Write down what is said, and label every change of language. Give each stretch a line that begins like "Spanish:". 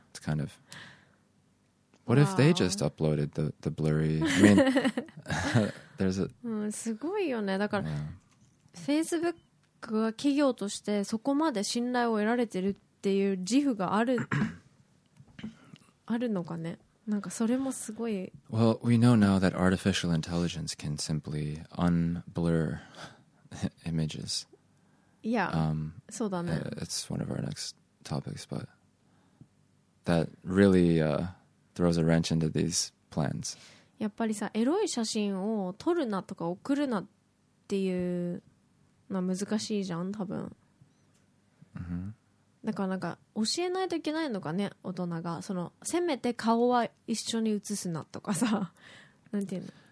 English: kind of what if they just uploaded the blurry I mean there's a
Japanese: すごいよねだから、yeah. Facebook は企業としてそこまで信頼を得られてるっていう自負がある あるのかね。なんかそれもすごい。
English: Well, we know now that artificial intelligence can simply unblur images.
Japanese: Yeah, そうだね。
English: It's one of our next topics, but that really throws a wrench into these plans.
Japanese: やっぱりさ、エロい写真を撮るなとか送るなっていうのは難しいじゃん、多分。 Mm-hmm. だからなんか教えないといけないのかね、大人が。そのせめて顔は一緒に写すなとかさ、なんていうの。